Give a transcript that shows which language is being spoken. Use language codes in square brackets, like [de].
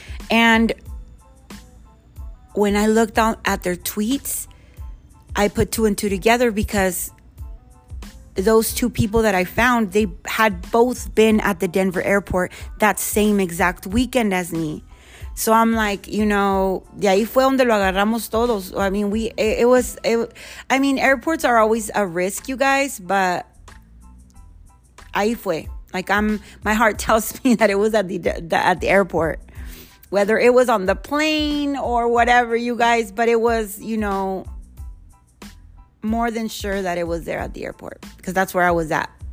[en] And when I looked on at their tweets, I put two and two together because those two people that I found, they had both been at the Denver airport that same exact weekend as me. So I'm like, you know, [es] de ahí fue donde lo agarramos todos. [en] I mean, airports are always a risk, you guys, but [es] ahí fue. [en] Like, my heart tells me that it was at the airport. Whether it was on the plane or whatever, you guys, but it was, you know, more than sure that it was there at the airport because that's where I was at.